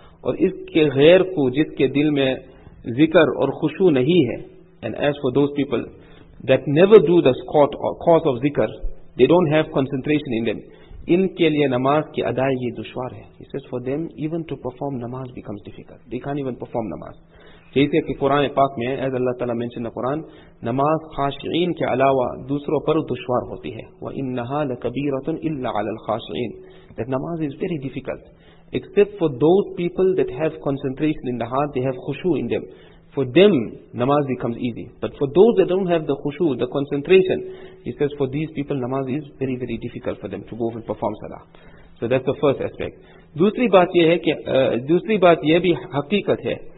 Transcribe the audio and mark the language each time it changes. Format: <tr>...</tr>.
<ur>Aur iske ghair ko jiske dil mein zikr aur khushu nahi hai,</ur> <en>and as for those people that never do the squat or cause of zikr, they don't have concentration in them,</en> <ur>in ke liye namaz ki adaigi dushwar hai.</ur> <en>He says for them even to perform namaz becomes difficult. They can't even perform namaz.</en> <ur>جیسے کہ قرآن پاک میں ہے,</ur> <en>as Allah تعالیٰ mentioned the Quran,</en> <ur>نماز خاشعین کے علاوہ دوسروں پر دشوار ہوتی ہے.</ur> <ar>وَإِنَّهَا لَكَبِيرَةٌ إِلَّا عَلَى الْخَاشِعِينَ,</ar> <en>that نماز is very difficult except for those people that have concentration in the heart, they have خشوع in them. For them, نماز becomes easy. But for those that don't have the خشوع, the concentration, he says for these people, نماز is very very difficult for them to go and perform salah. So that's the first aspect.</en> <ur>دوسری بات یہ ہے کہ دوسری بات یہ بھی حقیقت ہے.</ur>